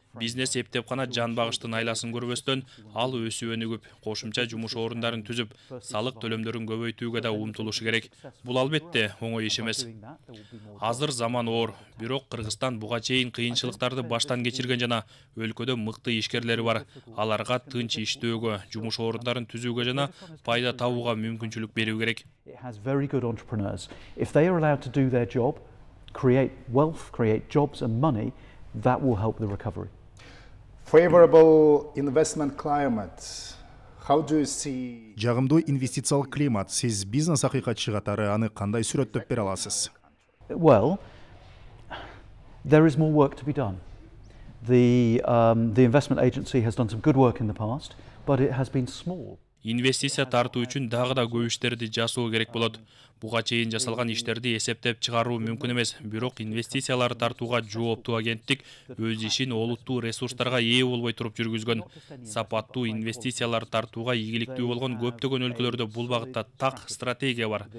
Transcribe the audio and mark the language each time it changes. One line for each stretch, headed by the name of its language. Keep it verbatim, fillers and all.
Kyrgyz: Бизнес эптепкана жан багыштын айласын көрбөстөн, ал өсүп өнүгүп, кошумча жумуш орундарын түзүп, салык төлөмдөрүн көбөйтүүгө да умтулушу керек. Бул албетте оңой иш эмес. Азыр заман оор, бирок Кыргызстан буга чейин кыйынчылыктарды баштан кечирген жана өлкөдө мыкты ишкерлери бар. Аларга тынч иштөөгө, жумуш орундарын түзүүгө жана пайда табууга мүмкүнчүлүк берүү керек.
English: It has very good entrepreneurs. If they are allowed to do their job, create wealth, create jobs and money, that will help the recovery. Favorable investment climate. How do you see?
Kyrgyz: Жагымдуу инвестициялык климат. Сиз бизнес акыйкатчы катары аны кандай сүрөттөп бере аласыз?
English: Well, there is more work to be done. The um, the investment agency has done some good work in the past, but it has been small.
Kyrgyz: Инвестиция тартуу үчүн дагы да көп иштерди жасоо керек болот. Буга чейин жасалган иштерди эсептеп чыгаруу мүмкүн эмес, бирок инвестицияларды тартууга жооптуу агенттик өз ишин олуттуу ресурстарга ээ болбой туруп жүргүзгөн. Сапаттуу инвестицияларды тартууга ийгиликтүү болгон көптөгөн өлкөлөрдө бул багытта так стратегия бар.